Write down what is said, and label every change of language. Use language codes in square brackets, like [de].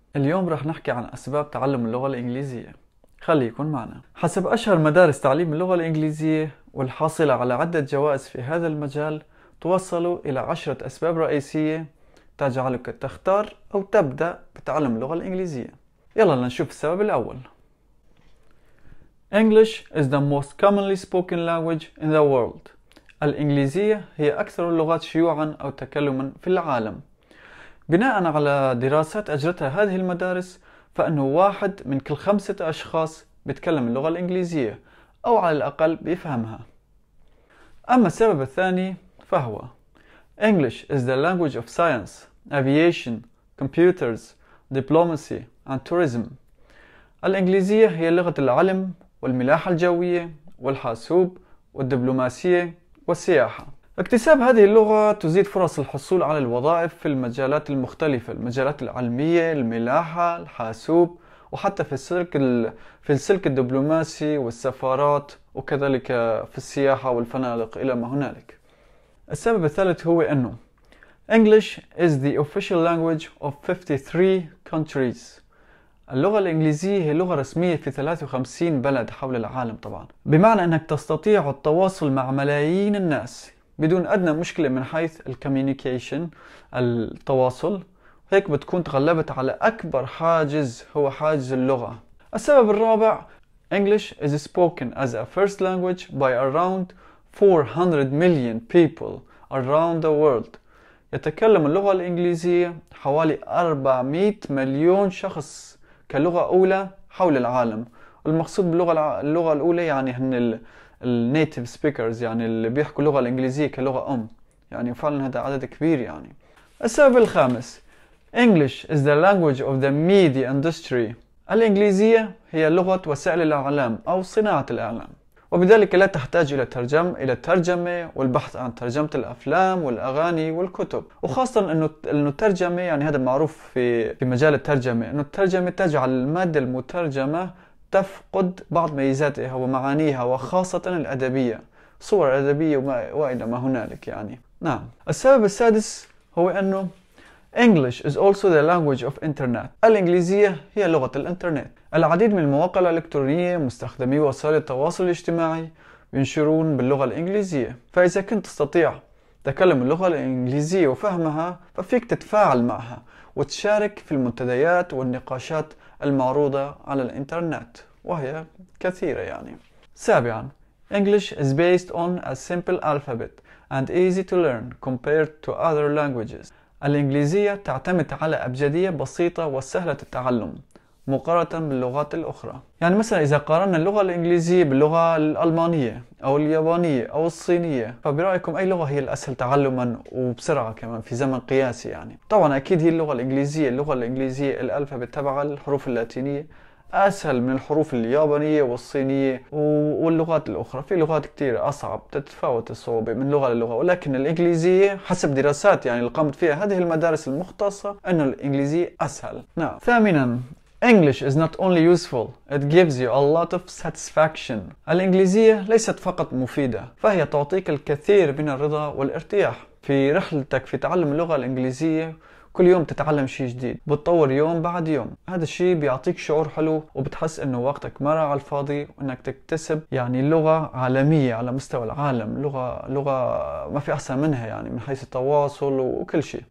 [ar] اليوم رح نحكي عن أسباب تعلم اللغة الإنجليزية، خليكن معنا. حسب أشهر مدارس تعليم اللغة الإنجليزية والحاصلة على عدة جوائز في هذا المجال، توصلوا إلى 10 أسباب رئيسية تجعلك تختار أو تبدأ بتعلم اللغة الإنجليزية. يلا لنشوف السبب الأول. [en] English is the most commonly spoken language in the world. [ar] الإنجليزية هي أكثر اللغات شيوعاً أو تكلماً في العالم. بناء على دراسات أجرتها هذه المدارس، فإنه واحد من كل 5 أشخاص بيتكلم اللغة الإنجليزية أو على الأقل بيفهمها. أما السبب الثاني فهو [en] English is the language of science, aviation, computers, diplomacy and tourism. [ar] الإنجليزية هي لغة العلم والملاحة الجوية والحاسوب والدبلوماسية والسياحة. اكتساب هذه اللغة تزيد فرص الحصول على الوظائف في المجالات المختلفة، المجالات العلمية، الملاحة، الحاسوب، وحتى في السلك الدبلوماسي والسفارات، وكذلك في السياحة والفنادق إلى ما هنالك. السبب الثالث هو أنه [en] English is the official language of 53 countries. [ar] اللغة الإنجليزية هي لغة رسمية في 53 بلد حول العالم طبعا، بمعنى أنك تستطيع التواصل مع ملايين الناس بدون أدنى مشكلة من حيث الكوميونيكيشن التواصل، هيك بتكون تغلبت على أكبر حاجز هو حاجز اللغة. السبب الرابع [en] English is spoken as a first language by around 400 million people around the world. [ar] يتكلم اللغة الإنجليزية حوالي 400 مليون شخص كلغة أولى حول العالم. المقصود باللغة اللغة الأولى يعني هن [en] الناتيف سبيكرز، [ar] يعني اللي بيحكوا اللغة الإنجليزية كلغة أم، يعني فعلا هذا عدد كبير. يعني السبب الخامس [en] English is the language of the media industry. [ar] الإنجليزية هي لغة وسائل الإعلام أو صناعة الإعلام، وبذلك لا تحتاج إلى ترجمة والبحث عن ترجمة الأفلام والأغاني والكتب، وخاصة أنه الترجمة، يعني هذا معروف في مجال الترجمة، أنه الترجمة تجعل المادة المترجمة تفقد بعض ميزاتها ومعانيها، وخاصة الأدبية، صور أدبية وإلى ما هنالك يعني. نعم. السبب السادس هو أنه [en] English is also the language of internet. [ar] الإنجليزية هي لغة الإنترنت. العديد من المواقع الإلكترونية مستخدمي وسائل التواصل الاجتماعي ينشرون باللغة الإنجليزية، فإذا كنت تستطيع تكلم اللغة الإنجليزية وفهمها، ففيك تتفاعل معها وتشارك في المنتديات والنقاشات المعروضة على الإنترنت، وهي كثيرة يعني. سابعا [en] English is based on a simple alphabet and easy to learn compared to other languages. [ar] الإنجليزية تعتمد على أبجدية بسيطة وسهلة التعلم مقارنة باللغات الأخرى. يعني مثلا إذا قارنا اللغة الإنجليزية باللغة الألمانية أو اليابانية أو الصينية، فبرأيكم أي لغة هي الأسهل تعلما وبسرعة كمان في زمن قياسي يعني؟ طبعا أكيد هي اللغة الإنجليزية. اللغة الإنجليزية الألفابت تبعها الحروف اللاتينية أسهل من الحروف اليابانية والصينية واللغات الأخرى. في لغات كتير أصعب، تتفاوت الصعوبة من لغة للغة، ولكن الإنجليزية حسب دراسات يعني اللي قامت فيها هذه المدارس المختصة أن الإنجليزية أسهل. نعم. ثامنا [en] English is not only useful, it gives you a lot of satisfaction. [ar] الإنجليزية ليست فقط مفيدة، فهي تعطيك الكثير من الرضا والارتياح في رحلتك في تعلم اللغة الإنجليزية. كل يوم تتعلم شيء جديد، بتطور يوم بعد يوم، هذا الشيء بيعطيك شعور حلو وبتحس انه وقتك ما راح على الفاضي، وانك تكتسب يعني لغة عالمية على مستوى العالم، لغة ما في احسن منها يعني من حيث التواصل وكل شيء.